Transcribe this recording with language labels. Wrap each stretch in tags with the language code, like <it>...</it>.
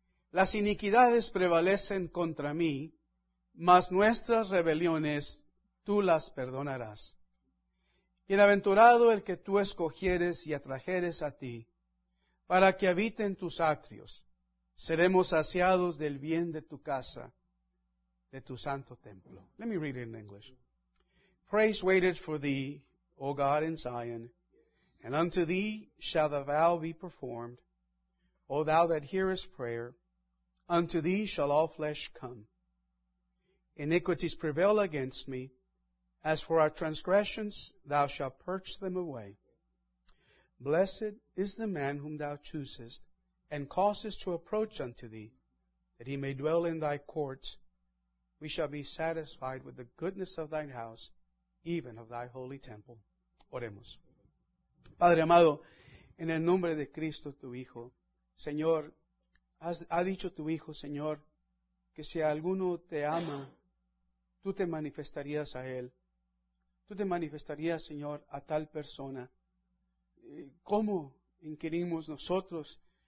<es>Las iniquidades prevalecen contra mí, mas nuestras rebeliones tú las perdonarás. Bienaventurado el que tú escogieres y atrajeres a ti, para que habite en tus atrios, seremos saciados del bien de tu casa, de tu santo templo.</es> <en>Let me read it in English. Praise waited for thee, O God in Zion, and unto thee shall the vow be performed. O thou that hearest prayer, unto thee shall all flesh come. Iniquities prevail against me. As for our transgressions, thou shalt purge them away. Blessed is the man whom thou choosest, and causest to approach unto thee, that he may dwell in thy courts. We shall be satisfied with the goodness of thine house, even of thy holy temple.</en> <es>Oremos. Padre amado, en el nombre de Cristo tu Hijo, Señor, ha dicho tu Hijo, Señor, que si alguno te ama, tú te manifestarías a él. Tú te manifestarías, Señor, a tal persona. ¿Cómo inquirimos nosotros?</es>